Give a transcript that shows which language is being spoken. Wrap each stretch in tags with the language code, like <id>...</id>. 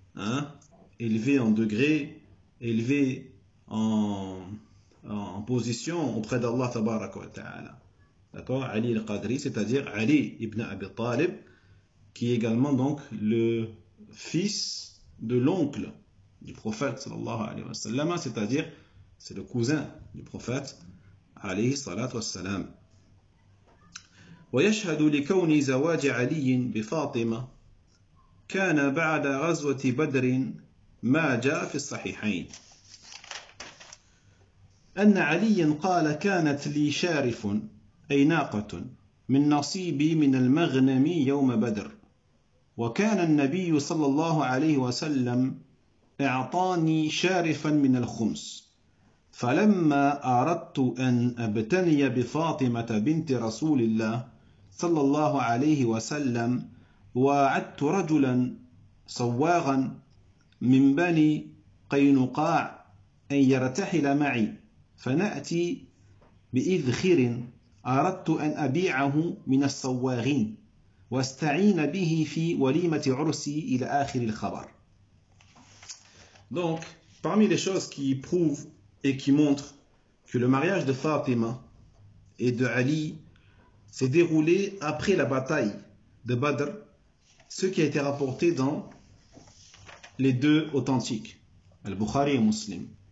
<fr>Hein, élevé en degré, élevé en position auprès d'Allah tabaraka wa ta'ala. D'accord? Ali al-Qadri, c'est-à-dire Ali ibn Abi Talib, qui est également donc le fils de l'oncle du prophète sallallahu alayhi wa sallam, c'est-à-dire c'est le cousin du prophète alayhi salatu wa sallam.</fr> <ar>ويشهد لكون زواج علي بفاطمة كان بعد غزوة بدر ما جاء في الصحيحين أن علي قال كانت لي شارف أي ناقة من نصيبي من المغنم يوم بدر وكان النبي صلى الله عليه وسلم أعطاني شارفا من الخمس فلما أردت أن أبتني بفاطمة بنت رسول الله صلى الله عليه وسلم وعدت رجلا صواغا من بني قينقاع أن يرتحل معي فنأتي بإذخر أردت أن أبيعه من الصواغين واستعين به في وليمة عرسي إلى آخر الخبر.</ar> <fr>Donc, parmi les choses qui prouvent et qui montrent que le mariage de Fatima et de Ali s'est déroulé après la bataille de Badr, ce qui a été rapporté dans les deux authentiques, Al-Bukhari et Muslim.</fr>